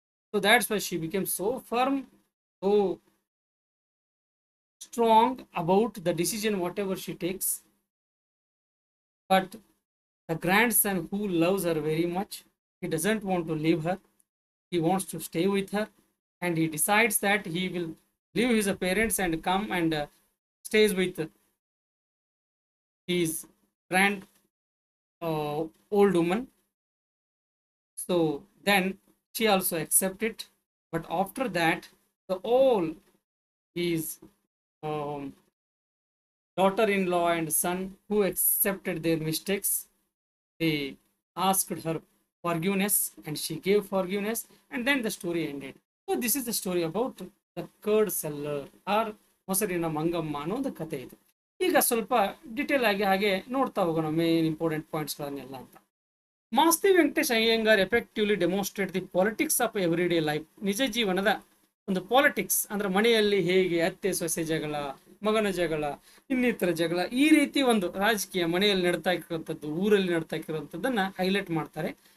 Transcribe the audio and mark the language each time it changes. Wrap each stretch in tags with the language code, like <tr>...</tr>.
<en>So that's why she became so firm, so strong about the decision whatever she takes. But the grandson who loves her very much, he doesn't want to leave her, he wants to stay with her. And he decides that he will leave his parents and come and stays with his grand old woman. So then she also accepts it. But after that, the all his daughter-in-law and son who accepted their mistakes, they asked her forgiveness and she gave forgiveness, and then the story ended. So this is the story about</en> <kn>the curd seller R ಮೊಸರಿನ Mangamma ಅನ್ನೋ ಒಂದು ಕತೆ ಇದೆ. ಈಗ ಸ್ವಲ್ಪ detail ಆಗಿ ಹಾಗೆ ನೋಡ್ತಾ ಹೋಗೋಣ ಮೇನ್ ಇಂಪಾರ್ಟೆಂಟ್ ಪಾಯಿಂಟ್ಸ್ಗಳನ್ನೆಲ್ಲ ಅಂತ. Masti Venkatesh Iyengar</kn> <en>effectively demonstrate the politics of every day life,</en> <kn>ನಿಜ ಜೀವನದ ಒಂದು ಪಾಲಿಟಿಕ್ಸ್ ಅಂದ್ರೆ ಮನೆಯಲ್ಲಿ ಹೇಗೆ ಅತ್ತೆ ಸೊಸೆ ಜಗಳ, ಮಗನ ಜಗಳ, ಇನ್ನಿತರ ಜಗಳ, ಈ ರೀತಿ ಒಂದು ರಾಜಕೀಯ ಮನೆಯಲ್ಲಿ ನಡ್ತಾ ಇರುವಂಥದ್ದು, ಊರಲ್ಲಿ ನಡ್ತಾ ಇರುವಂಥದ್ದನ್ನು ಹೈಲೈಟ್ ಮಾಡ್ತಾರೆ.</kn>